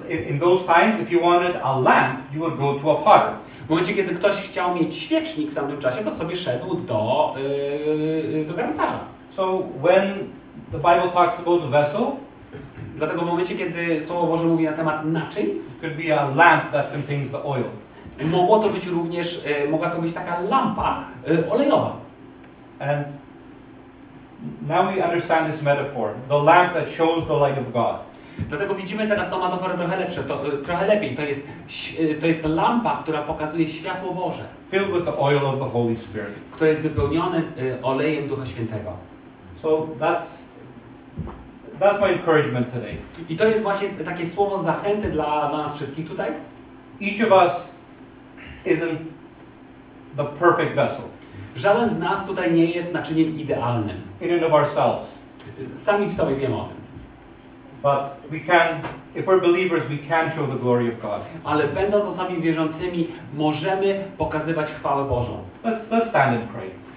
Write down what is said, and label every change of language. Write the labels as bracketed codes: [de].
[en] In those times, if you wanted a lamp, you would go to a potter. [pl] W momencie, kiedy ktoś chciał mieć świecznik w tamtym czasie, to sobie szedł do garncarza. [en] So when the Bible talks about the vessel, [pl] dlatego w momencie, kiedy Słowo Boże mówi na temat naczyń, [en] could be a lamp that contains the oil. [pl] Mogło to być również, mogła to być taka lampa olejowa. [en] And now we understand this metaphor, the lamp that shows the light of God. [pl] Dlatego widzimy teraz tą metaforę trochę lepsze, trochę lepiej. To jest lampa, która pokazuje światło Boże. [en] Filled with the oil of the Holy Spirit. [pl] Które jest wypełnione olejem Ducha Świętego. [en] So that's my encouragement today. [pl] I to jest właśnie takie słowo zachęty dla nas wszystkich tutaj. [en] Each of us isn't the perfect vessel. [pl] Żaden z nas tutaj nie jest naczyniem idealnym. [en] In and of ourselves. [pl] Sami w sobie wiemy o tym. [en] But we can, if we're believers, we can show the glory of God. [pl] Ale będąc osobami wierzącymi, możemy pokazywać chwałę Bożą. [en] Let's stand and pray.